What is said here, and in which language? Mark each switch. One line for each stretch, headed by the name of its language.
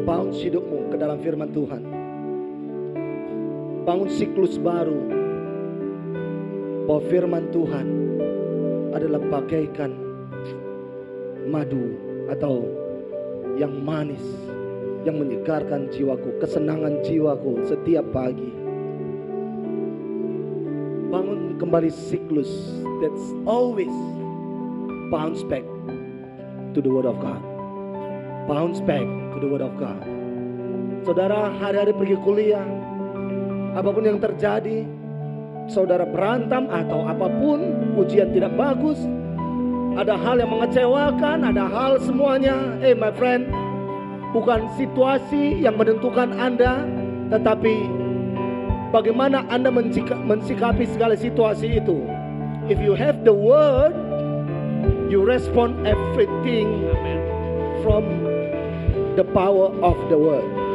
Indonesian: Hidupmu ke dalam firman Tuhan, bangun siklus baru bahwa firman Tuhan adalah bagaikan madu atau yang manis yang menyegarkan jiwaku, kesenangan jiwaku setiap pagi. Bangun kembali siklus
English: that's always bounce back to the word of God, bounce back to the word of God.
Indonesian: Saudara hari-hari pergi kuliah, apapun yang terjadi, saudara berantem atau apapun, ujian tidak bagus, ada hal yang mengecewakan, ada hal semuanya.
English: Hey my friend,
Indonesian: bukan situasi yang menentukan Anda, tetapi bagaimana Anda mensikapi segala situasi itu.
English: If you have the word, you respond everything from the power of the word.